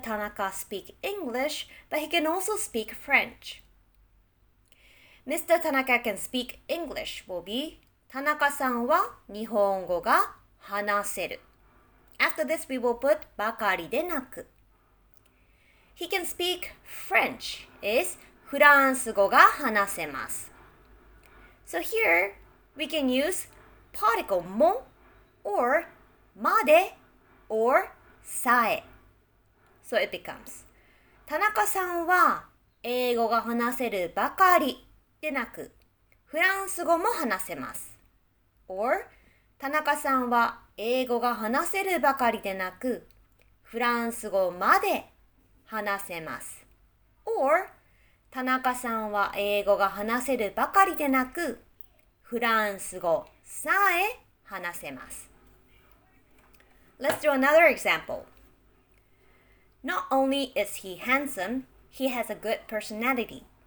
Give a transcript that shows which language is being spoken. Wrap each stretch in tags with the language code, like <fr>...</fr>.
<en>Tanaka speak English, but he can also speak French. Mr. Tanaka can speak English will be</en> <ja>田中さんは日本語が話せる。</ja> <en>After this, we will put ばかりでなく。He can speak French is</en> <ja>フランス語が話せます。</ja> <en>So here, we can use particle も or までorさえ。So it becomes</en> <ja>田中さんは英語が話せるばかりでなくフランス語も話せます。</ja> <en>Or</en> <ja>田中さんは英語が話せるばかりでなくフランス語まで話せます。</ja> <en>Or</en> <ja>田中さんは英語が話せるばかりでなくフランス語さえ話せます。</ja> <en>Let's do another example. Not only is he handsome, he has a good personality.</en>